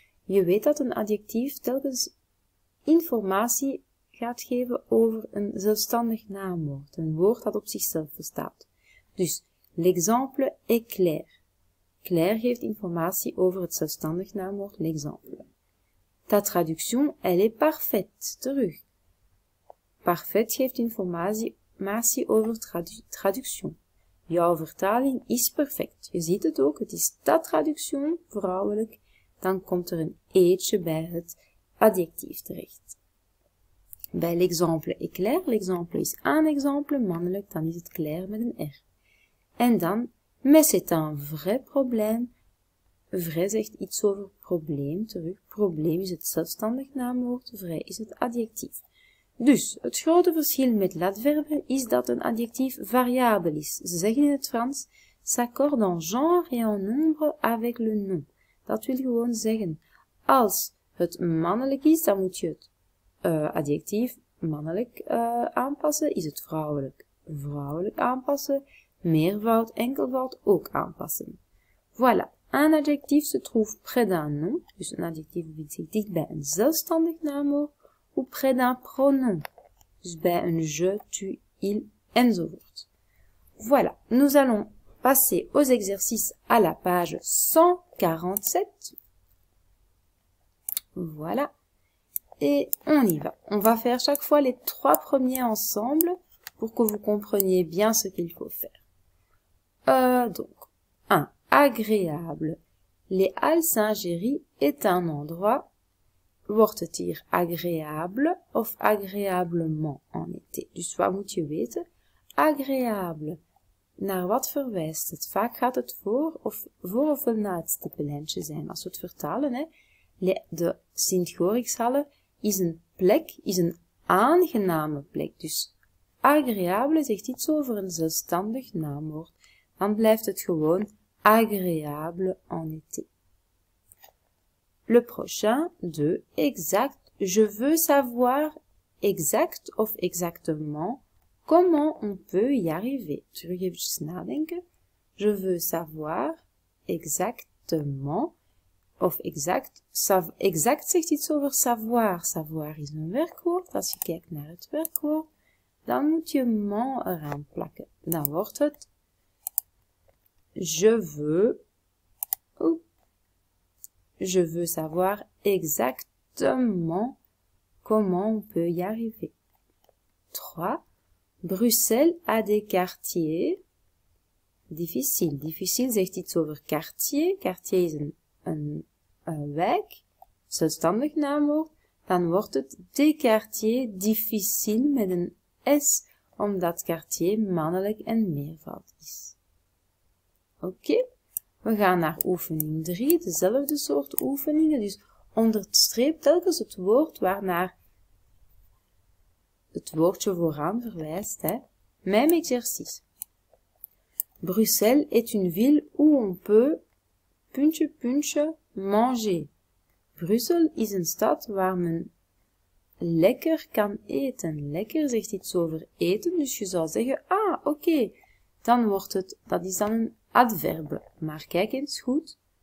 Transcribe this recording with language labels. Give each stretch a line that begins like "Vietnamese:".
Dutch: Je weet dat een adjectief telkens informatie gaat geven over een zelfstandig naamwoord. Een woord dat op zichzelf bestaat. Dus
French: l'exemple est clair.
Dutch: Claire geeft informatie over het zelfstandig naamwoord, l'exemple.
French: Ta traduction, elle est parfaite.
Dutch: Terug. Parfait geeft informatie over traduction. Jouw vertaling is perfect. Je ziet het ook, het is
French: ta traduction,
Dutch: vrouwelijk. Dan komt er een eetje bij het adjectief terecht. Bij
French: l'exemple est clair,
Dutch: l'exemple is un exemple, mannelijk, dan is het clair met een R. En dan,
French: mais c'est un vrai problème.
Dutch: Vrai zegt iets over probleem. Terug, probleem is het zelfstandig naamwoord. Vrai is het adjectief. Dus, het grote verschil met l'adverbe is dat een adjectief variabel is. Ze zeggen in het Frans,
French: s'accorde en genre et en nombre avec le nom.
Dutch: Dat wil gewoon zeggen, als het mannelijk is, dan moet je het adjectief mannelijk aanpassen. Is het vrouwelijk, vrouwelijk aanpassen. Meervoud, enkelvoud ook aanpassen.
French: Voilà, un adjectif se trouve près d'un nom,
Dutch: dus een adjectief bevindt zich dichtbij een zelfstandig naamwoord,
French: ou près d'un pronom,
Dutch: Dus bij een je, tu, il, enzovoort.
French: Voilà, nous allons passer aux exercices à la page 147. Voilà, et on y va. On va faire chaque fois les trois premiers ensemble pour que vous compreniez bien ce qu'il faut faire. Donc, 1. Agréable. Les Halles Saint-Géry est un endroit, Wörtertier, agréable, of agréablement en été, du soir
Dutch: moet je weten,
French: agréable.
Dutch: Naar wat verwijst het? Vaak gaat het voor of na het stippenlijntje zijn. Als we het vertalen, hè, de Sint-Gorikshalle is een plek, is een aangename plek. Dus agréable zegt iets over een zelfstandig naamwoord. Dan blijft het gewoon agréable
French: en été. Le prochain, de exact. Je veux savoir exact of exactement. Comment on peut y arriver?
Dutch: Terug eventjes nadenken.
French: Je veux savoir exactement.
Dutch: Of exact. Exact zegt iets over savoir. Savoir is een werkwoord. Als je kijkt naar het werkwoord, dan moet je ment eraan plakken. Dan wordt het.
French: Je veux. Je veux savoir exactement comment on peut y arriver. 3. Bruxelles a des quartiers difficiles.
Dutch: Difficile zegt iets over quartier. Quartier is een wijk. Zelfstandig naamwoord. Dan wordt het
French: des quartiers difficiles
Dutch: met een S. Omdat quartier mannelijk en meervoud is. Oké. We gaan naar oefening 3. Dezelfde soort oefeningen. Dus onderstreep telkens het woord waarnaar het woordje vooraan verwijst, hè.
French: Même exercice. Bruxelles est une ville où on peut,
Dutch: puntje, puntje,
French: manger.
Dutch: Brussel is een stad waar men lekker kan eten. Lekker zegt iets over eten, dus je zou zeggen, ah, oké. Dan wordt het, dat is dan een adverbe. Maar kijk eens goed.